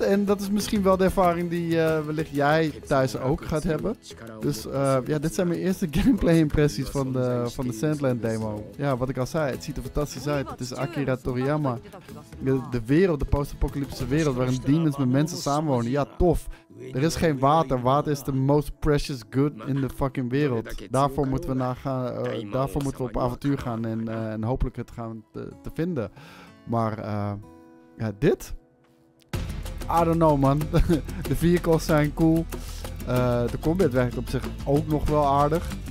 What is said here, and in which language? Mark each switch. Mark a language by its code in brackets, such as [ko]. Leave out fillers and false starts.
[nl] En dat is misschien wel de ervaring die wellicht jij thuis ook gaat hebben. Dus ja, dit zijn mijn eerste gameplay impressies van de Sandland demo. Ja, wat ik al zei. Het ziet er fantastisch uit. Het is Akira Toriyama. De wereld, de post-apocalyptische wereld waarin demons met mensen samenwonen. Ja, tof. Er is geen water. [en] Water is the most precious good in the fucking wereld. [nl] Daarvoor moeten we op avontuur gaan en hopelijk het gaan te vinden. Maar ja, dit? [en] I don't know, man. [nl] De vehicles zijn cool. De combat werkt op zich ook nog wel aardig.